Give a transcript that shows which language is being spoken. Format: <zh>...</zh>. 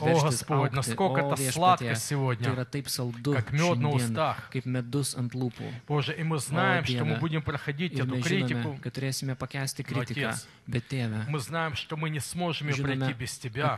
<ru>о Господь, насколько это сладко сегодня,</ru> <lt>tai yra taip saldu</lt> <ru>как мед</ru> <lt>šiandien,</lt> <ru>на устах,</ru> <lt>kaip medus ant lūpų.</lt> <ru>Боже, и мы знаем, что мы будем проходить эту критику,</ru> <lt>kad turėsime pakęsti kritiką, bet Tėve,</lt> <ru>мы знаем, что мы не сможем ее пройти без Тебя,</ru>